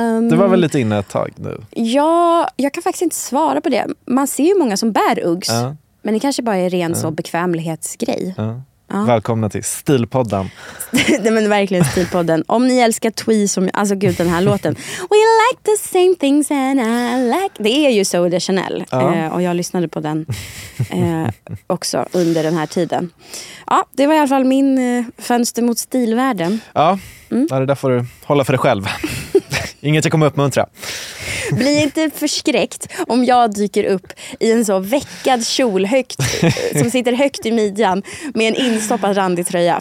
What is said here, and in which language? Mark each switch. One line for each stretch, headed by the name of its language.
Swedish: Du var väl lite inne ett tag nu? Ja, jag kan faktiskt inte svara på det. Man ser ju många som bär Uggs. Ja. Men det kanske bara är ren så bekvämlighetsgrej. Ja. Ja. Välkomna till Stilpodden. Nej, men verkligen Stilpodden. Om ni älskar Twee som... Alltså gud, den här låten.
English: We like the same things and I like...
Swedish: Det är ju Zooey Deschanel. Ja. Och jag lyssnade på den också under den här tiden. Ja, det var i alla fall min fönster mot stilvärlden. Ja. Mm. Ja, det där får du hålla för dig själv. Inget jag kommer uppmuntra. Bli inte förskräckt om jag dyker upp i en så veckad kjol högt, som sitter högt i midjan med en instoppad randig tröja.